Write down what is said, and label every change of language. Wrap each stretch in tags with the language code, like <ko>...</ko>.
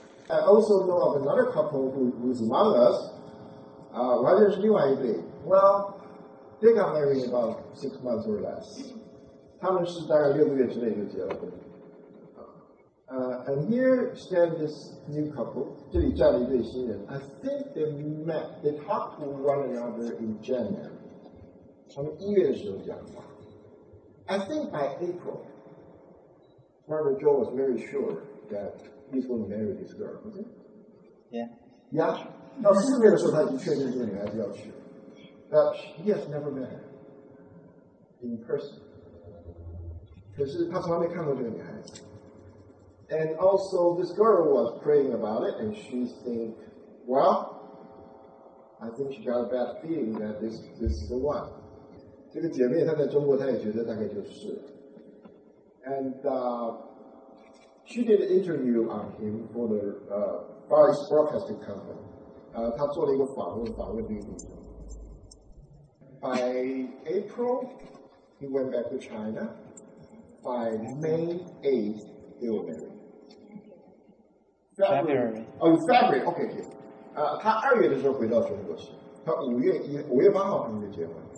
<en>I also know of another couple who's among us. Why don't you do anything? Well, they got married in about 6 months or less.</en> <zh>他们是大概六个月之内就结了婚。</zh> <en>And here stands this new couple.</en> <zh>这里站了一对新人</zh> <en>I think they talked to one another in January.</en> <zh>他们一月的时候讲话</zh> <en>I think by April, Barbara Joe was very sure that he's going to marry this girl, wasn't he? Yeah. Yeah.</en> <zh>到四月的时候他已经确定这个女孩子要去</zh> <en>But he has never met her in person.</en> <zh>可是他从来没看过这个女孩子</zh> <en>And also, this girl was praying about it, and she think, well, I think she got a bad feeling that this is the one.</en> <zh>这个姐妹她在中国，她也觉得大概就是。</zh> <en>And she did an interview on him for the Far East Broadcasting Company.</en> <zh>她做了一个访问这个女生。</zh> <en>By April, he went back to China. By May 8th, they were married. February. Okay, okay.</en> <zh>他二月的时候回到中国去，他五月八号他们就结婚。</zh>